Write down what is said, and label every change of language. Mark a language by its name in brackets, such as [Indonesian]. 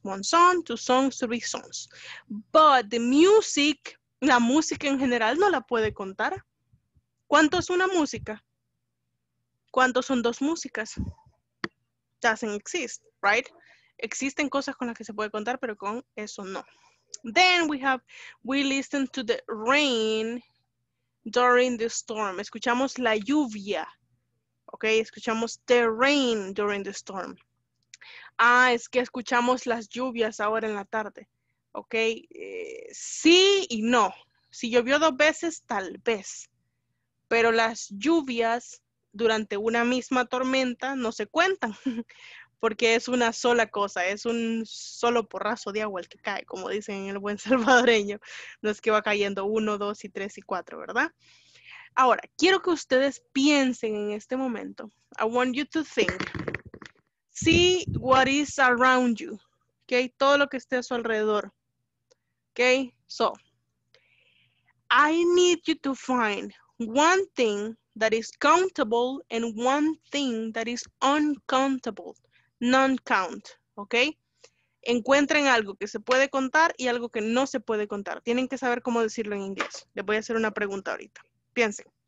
[English] One song, two songs, three songs. But the music, [Spanish] la música en general, no la puede contar. ¿Cuánto es una música? ¿Cuánto son dos músicas? [English] Doesn't exist, right? [Spanish] Existen cosas con las que se puede contar, pero con eso no. [English] Then we have, we listen to the rain during the storm. [Spanish] Escuchamos la lluvia. Ok, escuchamos [English] the rain during the storm. [Spanish] Ah, es que escuchamos las lluvias ahora en la tarde. Ok, sí y no. Si llovió dos veces, tal vez. Pero las lluvias durante una misma tormenta no se cuentan. Porque es una sola cosa, es un solo porrazo de agua el que cae, como dicen en el buen salvadoreño. No es que va cayendo uno, dos y tres y cuatro, ¿verdad? Ahora, quiero que ustedes piensen en este momento. [English] I want you to think. See what is around you. [Spanish] Ok, todo lo que esté a su alrededor. [English] Ok, so. I need you to find one thing that is countable and one thing that is uncountable. Non-count, ¿ok? [Spanish] Encuentren algo que se puede contar y algo que no se puede contar. Tienen que saber cómo decirlo en inglés. Les voy a hacer una pregunta ahorita. Piensen.